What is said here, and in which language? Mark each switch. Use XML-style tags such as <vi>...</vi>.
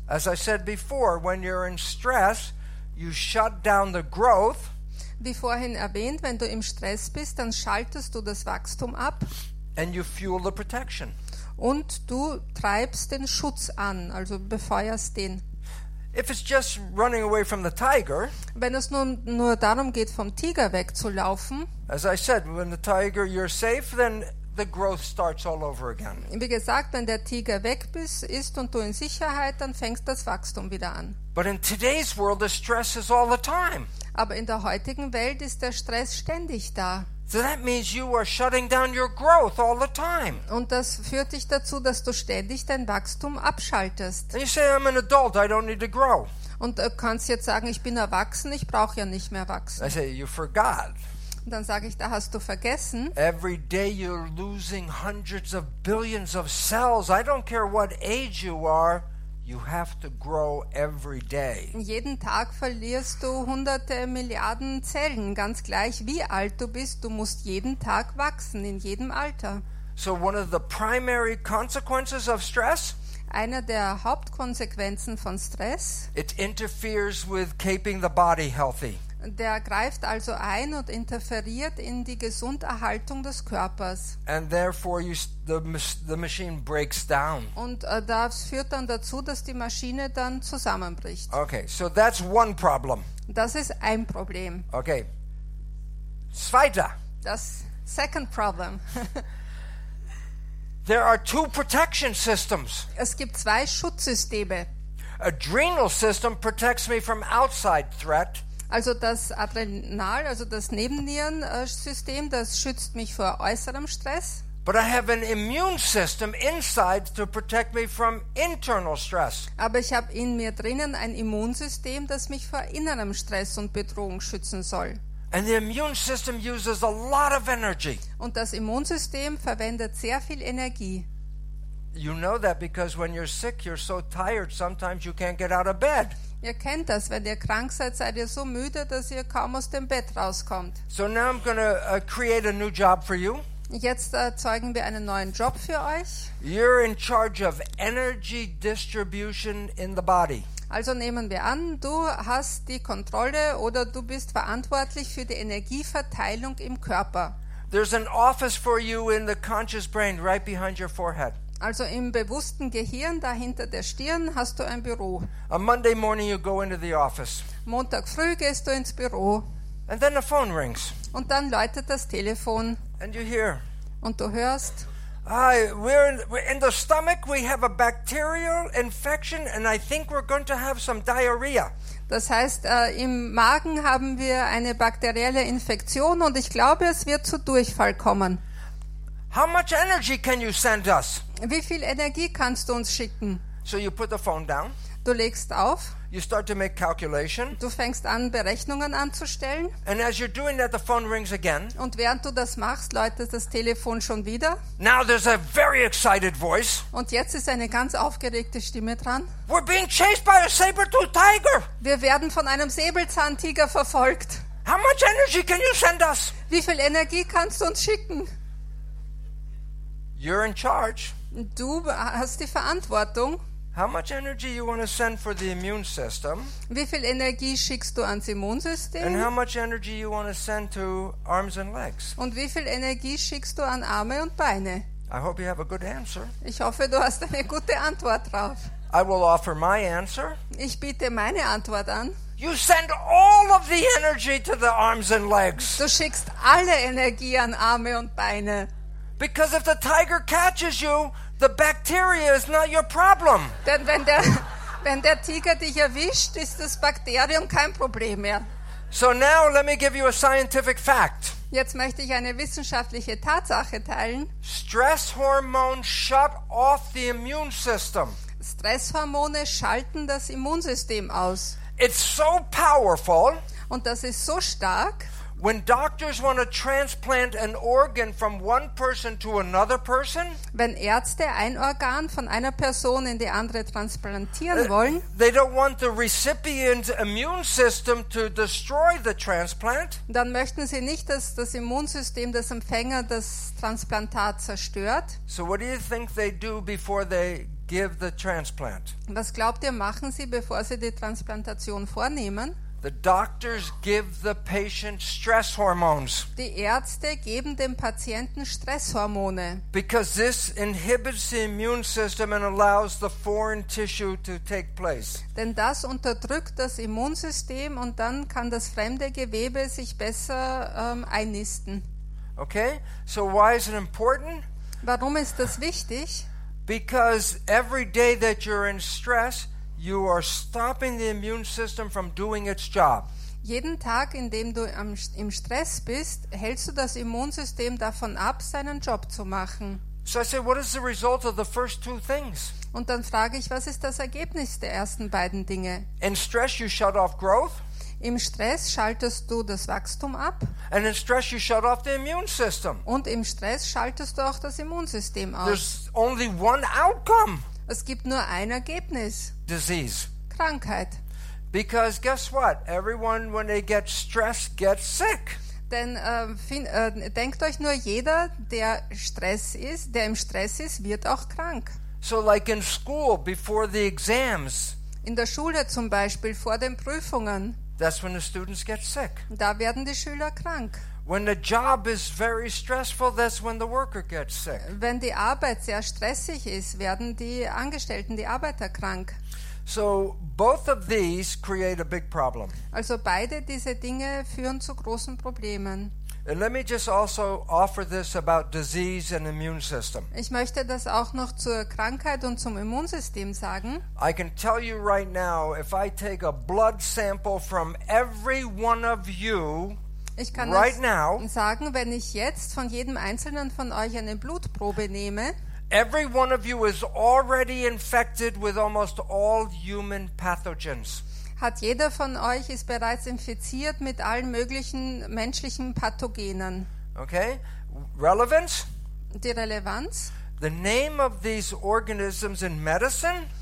<en>As I said before, when you're in stress, you shut down the growth.</en> <de>Wie vorhin erwähnt, wenn du im Stress bist, dann schaltest du das Wachstum ab.</de> <en>And you fuel the protection.</en> <de>Und du treibst den Schutz an, also befeuerst den.</de> <en>If it's just running away from the tiger,</en> <de>wenn es nur darum geht, vom Tiger wegzulaufen,</de> <en>as I said, when the tiger you're safe, then the growth starts all over again.</en> <de>Wie gesagt, wenn der Tiger weg ist und du in Sicherheit, dann fängst das Wachstum wieder an.</de> <en>But in today's world, the stress is all the time.</en> <de>Aber in der heutigen Welt ist der Stress ständig da.</de> <en>So that means you are shutting down your growth all the time.</en> <de>Und das führt dich dazu, dass du ständig dein Wachstum abschaltest.</de> <en>And you say, I'm an adult, I don't need to grow.</en> <de>Und du kannst jetzt sagen, ich bin erwachsen, ich brauche ja nicht mehr wachsen.</de> <en>I say, you forgot.</en> <de>Und dann sage ich, da hast du vergessen.</de> <en>Every day you're losing hundreds of billions of cells. I don't care what age you are. You have to grow every day.</en> <de>Jeden Tag verlierst du hunderte Milliarden Zellen, ganz gleich wie alt du bist, du musst jeden Tag wachsen in jedem Alter.</de> <en>So one of the primary consequences of stress?</en> <de>Eine der Hauptkonsequenzen von Stress?</de> <en>It interferes with keeping the body healthy.</en> <de>Der greift also ein und interferiert in die Gesunderhaltung des Körpers.</de> <en>And therefore you, the machine breaks down.</en> <de>Und das führt dann dazu, dass die Maschine dann zusammenbricht.</de> <en>Okay, so that's one problem.</en> <de>Das ist ein Problem. Okay. Zweiter.</de> <en>Das second problem. There are two protection systems.</en> <de>Es gibt zwei Schutzsysteme.</de> <en>Adrenal system protects me from outside threat.</en> <de>Also das Adrenal, also das Nebennierensystem, das schützt mich vor äußerem Stress.</de> <en>But I have an immune system inside to protect me from internal stress.</en> <de>Aber ich habe in mir drinnen ein Immunsystem, das mich vor innerem Stress und Bedrohung schützen soll.</de> <en>And the immune system uses a lot of energy.</en> <de>Und das Immunsystem verwendet sehr viel Energie.</de> <en>You know that because when you're sick, you're so tired, sometimes you can't get out of bed.</en> <de>Ihr kennt das, wenn ihr krank seid, seid ihr so müde, dass ihr kaum aus dem Bett rauskommt.</de> <en>So now I'm gonna create a new job for you.</en> <de>Jetzt erzeugen wir einen neuen Job für euch.</de> <en>You're in charge of energy distribution in the body.</en> <de>Also nehmen wir an, du hast die Kontrolle oder du bist verantwortlich für die Energieverteilung im Körper.</de> <en>There's an office for you in the conscious brain right behind your forehead.</en> <de>Also im bewussten Gehirn, dahinter der Stirn, hast du ein Büro.</de> <en>On Monday morning you go into the office.</en> <de>Montag früh gehst du ins Büro.</de> <en>And then the phone rings.</en> <de>Und dann läutet das Telefon.</de> <en>And you hear.</en> <de>Und du hörst.</de> <en>Hi, we're in the stomach, we have a bacterial infection and I think we're going to have some diarrhea.</en> <de>Das heißt, im Magen haben wir eine bakterielle Infektion und ich glaube, es wird zu Durchfall kommen.</de> <en>How much energy can you send us?</en> <de>Wie viel Energie kannst du uns schicken?</de> <en>So you put the phone down.</en> <de>Du legst auf.</de> <en>You start to make calculation.</en> <de>Du fängst an, Berechnungen anzustellen.</de> <en>And as you're doing that, the phone rings again.</en> <de>Und während du das machst, läutet das Telefon schon wieder.</de> <en>Now there's a very excited voice.</en> <de>Und jetzt ist eine ganz aufgeregte Stimme dran.</de> <en>We're being chased by a saber-toothed tiger.</en> <de>Wir werden von einem Säbelzahntiger verfolgt.</de> <en>How much energy can you send us?</en> <de>Wie viel Energie kannst du uns schicken?</de> <en>You're in charge.</en> <de>Du hast die Verantwortung.</de> <en>How much energy you want to send for the immune system?</en> <de>Wie viel Energie schickst du ans Immunsystem?</de> <en>And how much energy you want to send to arms and legs?</en> <de>Und wie viel Energie schickst du an Arme und Beine?</de> <en>I hope you have a good answer.</en> <de>Ich hoffe, du hast eine gute Antwort drauf.</de> <en>I will offer my answer.</en> <de>Ich biete meine Antwort an.</de> <en>You send all of the energy to the arms and legs.</en> <de>Du schickst alle Energie an Arme und Beine.</de> <en>Because if the tiger catches you, The bacteria is not your problem.</en> <de>Denn wenn der Tiger dich erwischt, ist das Bakterium kein Problem mehr.</de> <en>So now let me give you a scientific fact.</en> <de>Jetzt möchte ich eine wissenschaftliche Tatsache teilen.</de> <en>Stress hormones shut off the immune system.</en> <de>Stresshormone schalten das Immunsystem aus.</de> <en>It's so powerful.</en> <de>Und das ist so stark.</de> <en>When doctors want to transplant an organ from one person to another person,</en> <de>wenn Ärzte ein Organ von einer Person in die andere transplantieren wollen,</de> <en>they don't want the recipient's immune system to destroy the transplant.</en> <de>Dann möchten sie nicht, dass das Immunsystem des Empfängers das Transplantat zerstört.</de> <en>So what do you think they do before they give the transplant?</en> <de>Was glaubt ihr, machen sie, bevor sie die Transplantation vornehmen?</de> <en>The doctors give the patient stress hormones.</en> <de>Die Ärzte geben dem Patienten Stresshormone.</de> <en>Because this inhibits the immune system and allows the foreign tissue to take place.</en> <de>Denn das unterdrückt das Immunsystem und dann kann das fremde Gewebe sich besser einnisten.</de> <en>Okay? So why is it important?</en> <de>Warum ist das wichtig?</de> <en>Because every day that you're in stress, you are stopping the immune system from doing its job.</en> <de>Jeden Tag, in dem du im Stress bist, hältst du das Immunsystem davon ab, seinen Job zu machen.</de> <en>So I say, what is the result of the first two things?</en> <de>Und dann frage ich, was ist das Ergebnis der ersten beiden Dinge?</de> <en>In stress you shut off growth.</en> <de>Im Stress schaltest du das Wachstum ab.</de> <en>And in stress you shut off the immune system.</en> <de>Und im Stress schaltest du auch das Immunsystem aus.</de> <en>There's only one outcome.</en> <de>Es gibt nur ein Ergebnis.</de> <en>Disease.</en> <de>Krankheit.</de> <en>Because guess what? Everyone, when they get stressed, gets sick.</en> <de>Denn denkt euch nur, jeder, der im Stress ist, wird auch krank.</de> <en>So like in school, before the exams.</en> <de>In der Schule zum Beispiel, vor den Prüfungen.</de> <en>That's when the students get sick.</en> <de>Da werden die Schüler krank.</de> <en>When the job is very stressful, that's when the worker gets sick.</en> <de>Wenn die Arbeit sehr stressig ist, werden die Angestellten, die Arbeiter krank.</de> <en>So both of these create a big problem.</en> <de>Also beide diese Dinge führen zu großen Problemen.</de> <en>And let me just also offer this about disease and immune system.</en> <de>Ich möchte das auch noch zur Krankheit und zum Immunsystem sagen.</de> <en>I can tell you right now, if I take a blood sample from every one of you,</en> <de>ich kann</de> <en>right</en> <de>euch</de> <en>now,</en> <de>sagen, wenn ich jetzt von jedem einzelnen von euch eine Blutprobe nehme,</de> <en>every one of you is already infected with almost all human pathogens.</en> <de>Hat jeder von euch ist bereits infiziert mit allen möglichen menschlichen Pathogenen.</de> <en>Okay, relevance.</en> <de>Die Relevanz.</de> <en>The name of these organisms in medicine.</en>